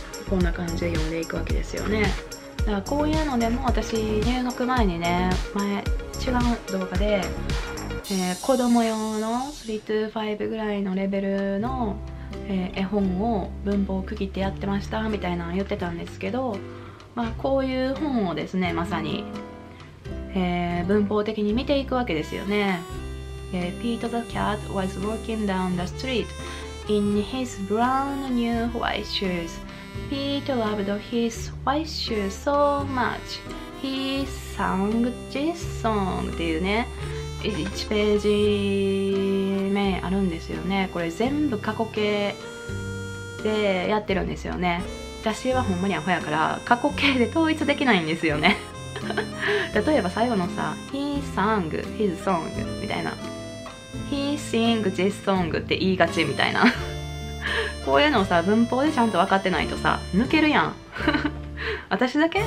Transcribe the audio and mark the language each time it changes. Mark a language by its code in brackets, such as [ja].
[ja] こんな感じで読んでいくわけですよね。だからこういうのでも私入学前にね前違う動画で、子供用の [en] 3 to 5 [ja] ぐらいのレベルの、絵本を文法を区切ってやってましたみたいなの言ってたんですけど、まあこういう本をですねまさに、文法的に見ていくわけですよね。 [en] Pete the cat was walking down the street in his brand new white shoes. Pete loved his white shoes so much. He sang this song [ja] っていうね1ページ目あるんですよね。これ全部過去形でやってるんですよね。私はほんまにアホやから過去形で統一できないんですよね例えば最後のさ [en] He sang his song [ja] みたいな、 [en] He sing this song [ja] って言いがちみたいなこういうのをさ文法でちゃんと分かってないとさ抜けるやん私だけ？